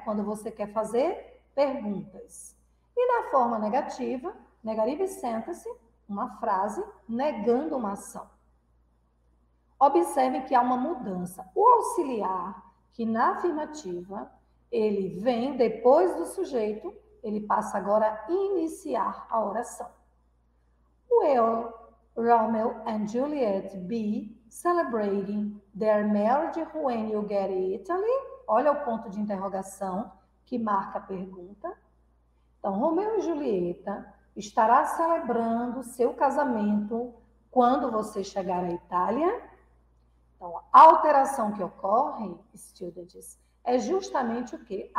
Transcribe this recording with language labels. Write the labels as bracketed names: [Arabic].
[Portuguese] Quando você quer fazer perguntas. E na forma negativa, [English] negative sentence, [Portuguese] uma frase negando uma ação. Observem que há uma mudança. O auxiliar, que na afirmativa, ele vem depois do sujeito, ele passa agora a iniciar a oração. [English] Will Romeo and Juliet be celebrating their marriage when you get Italy? [Portuguese] Olha o ponto de interrogação que marca a pergunta. Então, Romeo e Julieta estará celebrando seu casamento quando você chegar à Itália? Então, a alteração que ocorre, students, é justamente o quê?